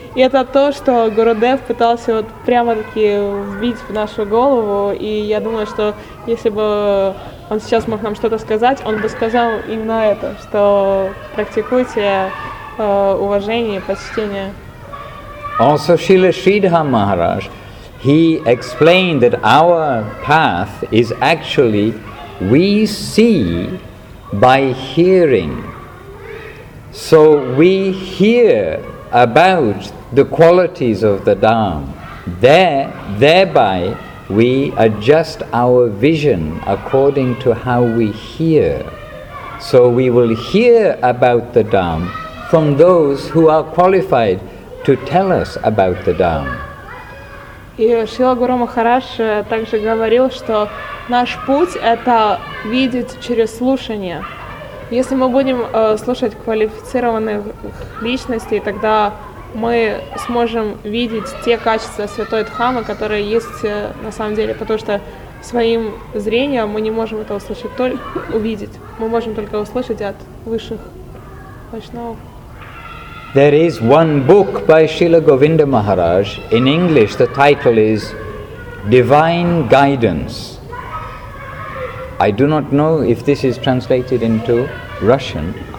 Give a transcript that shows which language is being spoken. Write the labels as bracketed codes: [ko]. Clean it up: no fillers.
[ru] И это то, что Гурудев пытался вот прямо-таки вбить в нашу голову. И я думаю, что если бы он сейчас мог нам что-то сказать, он бы сказал именно это, что практикуйте уважение и почтение. [en] Also, Srila Sridhar Maharaj, he explained that our path is actually, we see by hearing. So we hear about the qualities of the Dham. Thereby we adjust our vision according to how we hear. So we will hear about the Dham from those who are qualified to tell us about the Dham. [ru] И Шрила Гуру Махарадж также говорил, что наш путь – это видеть через слушание. Если мы будем слушать квалифицированных личностей, тогда мы сможем видеть те качества Святой Дхамы, которые есть на самом деле, потому что своим зрением мы не можем это услышать, увидеть. Мы можем только услышать от высших вайшнавов. [en] There is one book by Srila Govinda Maharaj. In English, the title is Divine Guidance. I do not know if this is translated into Russian.